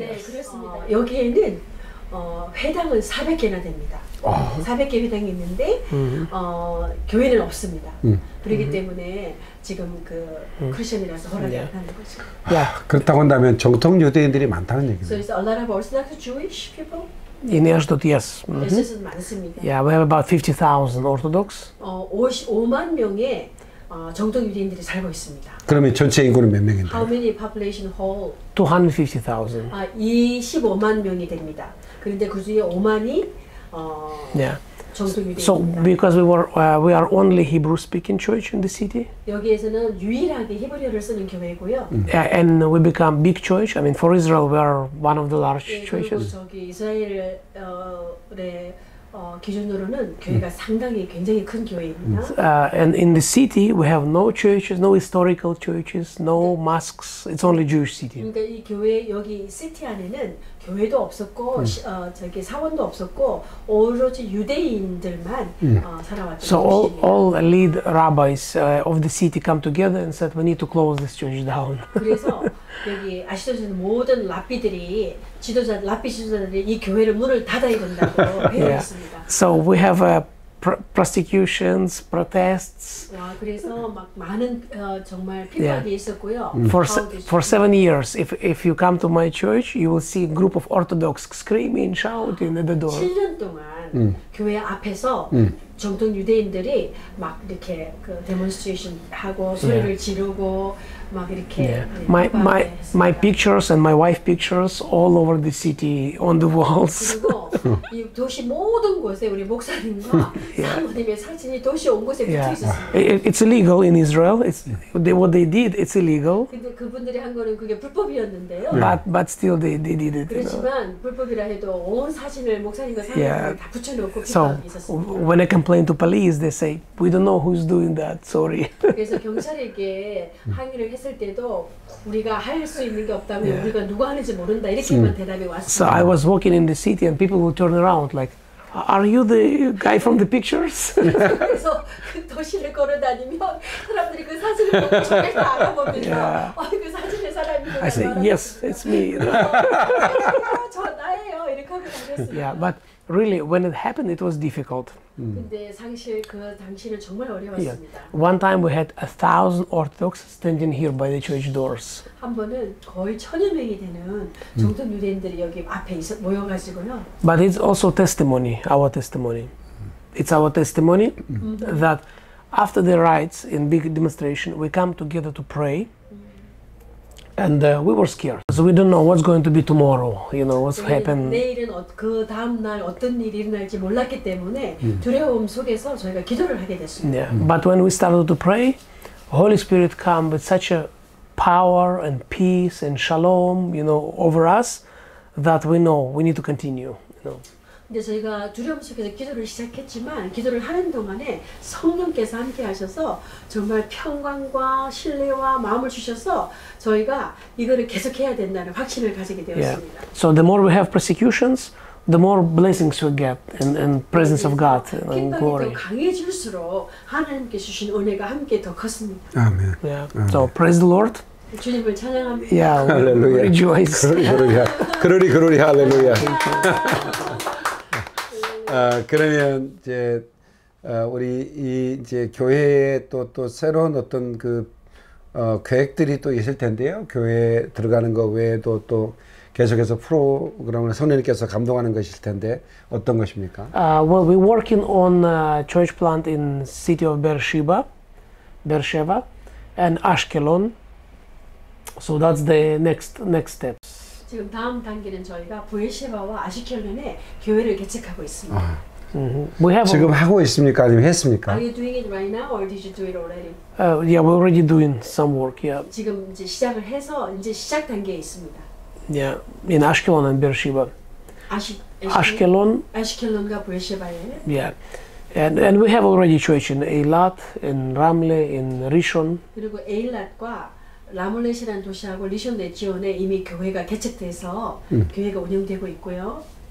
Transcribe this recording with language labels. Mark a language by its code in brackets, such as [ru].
[ko] 네, 그렇습니다. 여기에는 회당은 400개나 됩니다. 400개 회당이 있는데 교회는 없습니다. 그렇기 때문에 지금 그 크리스천이라서 허락을 안 하는 거죠. [en] Yeah. [ko] 그렇다고 한다면 정통 유대인들이 많다는 얘기죠. [en] So is a lot of Orthodox Jewish people? In Ashdod, yes. Mm-hmm. Yeah, we have about 50,000 Orthodox. [ko] 55만 명의 정통 유대인들이 살고 있습니다. 그러면 전체 인구는 몇 명인데요? [en] How many population whole? 250,000. [ko] 25만 명이 됩니다. 그런데 그 중에 5만이 [en] yeah. So because we are only Hebrew speaking church in the city. [ko] 여기에서는 유일하게 히브리어를 쓰는 교회고요. [en] Yeah, and we become big church. I mean, for Israel, we are one of the large churches. [ko] 그리고 저기 이스라엘의 기준으로는 교회가 상당히 굉장히 큰 교회입니다. [en] And in the city, we have no churches, no historical churches, no mosques. It's only Jewish city. [ko] 그러니까 이 교회 여기 시티 안에는 교회도 없었고 저기 사원도 없었고 오로지 유대인들만 살아왔던 So 곳이에요. [en] all lead rabbis of the city come together and said we need to close this church down. [ko] 그래서 여기 아시다시피 모든 랍비들이 지도자 랍비 지도자들이 이 교회를 문을 닫아야 된다고 배웠습니다. [en] So we have a prosecutions, protests. [ko] 그래서 막 많은 정말 핍박이 yeah. 있었고요. [en] For 7 years, if you come to my church, you will see a group of Orthodox screaming, shouting at the door. [ko] 7년 동안 교회 앞에서 정통 유대인들이 막 이렇게 그 demonstration 하고 소리를 yeah. 지르고 막 이렇게 yeah. [en] My pictures and my wife pictures all over the city on the walls. [ko] 이 도시 모든 곳에 우리 목사님과 사모님의 yeah. 사진이 도시 온 곳에 yeah. 붙어 있어요. [en] It's illegal in Israel. What they did, it's illegal. [ko] 근데 그분들이 한 거는 그게 불법이었는데요. [en] Yeah. But still they did it. [ko] 그렇지만 [en] you know? [ko] 불법이라 해도 온 사진을 목사님과 사모님이 yeah. 다 붙여놓고 So 있었습니다. [en] When I complain to police, they say we don't know who's doing that. Sorry. [ko] 그래서 경찰에게 항의를 했을 때도 우리가 할 수 있는 게 없다면 yeah. 우리가 누가 하는지 모른다 이렇게만 대답이 왔어요. [en] So I was walking in the city and people will turn around like, are you the guy from the pictures? [ko] 그래서 도시를 걸어다니면 사람들이 그 사진을 보면서 알아봅니다. 그 사진의 사람이구나. [en] I say yes, it's me. [ko] 저 나예요. 이렇게 하고 다녔습니다. [en] Yeah, but really, when it happened, it was difficult. [ko] 근데 당시 그 당시는 정말 어려웠습니다. [en] One time we had 1,000 Orthodox standing here by the church doors. [ko] 한 번은 거의 천여 명이 되는 정통 유대인들이 여기 앞에 모여가지고요. [en] But it's also testimony, our testimony. It's our testimony that after the riots in big demonstration, we come together to pray. And we were scared. So we don't know what's going to be tomorrow, you know, what's happened. [ko] 내일은 그 다음날 어떤 일이 일어날지 몰랐기 때문에 두려움 속에서 저희가 기도를 하게 됐습니다. [en] Yeah. But when we started to pray, Holy Spirit came with such a power and peace and shalom, you know, over us, that we know we need to continue, you know. [ko] 근데 저희가 두려움 속에서 기도를 시작했지만 기도를 하는 동안에 성령께서 함께 하셔서 정말 평강과 신뢰와 마음을 주셔서 저희가 이거를 계속해야 된다는 확신을 가지게 되었습니다. [en] Yeah. So the more we have persecutions, the more blessings we get and presence of God and glory. [ko] 핍박이 더 강해질수록 하나님께 주신 은혜가 함께 더 컸습니다. [en] Amen. Yeah. Amen. So praise the Lord. [ko] 주님을 찬양합니다. [en] Yeah. Hallelujah. Rejoice. [ko] 그러리 그러리 그러리 할렐루야. 그러면 이제 우리 이 이제 교회에 또 새로운 어떤 그 계획들이 또 있을 텐데요. 교회 들어가는 것 외에도 또 계속해서 프로그램을 성령님께서 감동하는 것일 텐데 어떤 것입니까? [en] Well, we're working on a church plant in city of Beersheba and Ashkelon. So that's the next steps. [ko] 지금 다음 단계는 저희가 부엘셰바와 아시켈론에 교회를 개척하고 있습니다. 지금 하고 있습니까? 아니면 했습니까? [en] Are you doing it right now or did you do it already? Yeah, we're already doing some work. Yeah. [ko] 지금 이제 시작을 해서 이제 시작 단계에 있습니다. [en] Yeah, in Ashkelon and Beersheba. [ko] Ashkelon. Ashkelon과 부엘셰바에. [en] Yeah. And we have already church in Eilat, in Ramle, in Rishon. [ko] 그리고 에일랏과 라몰렛이라는 도시하고 리션 레지온에 이미 교회가 개척돼서 교회가 운영되고 있고요.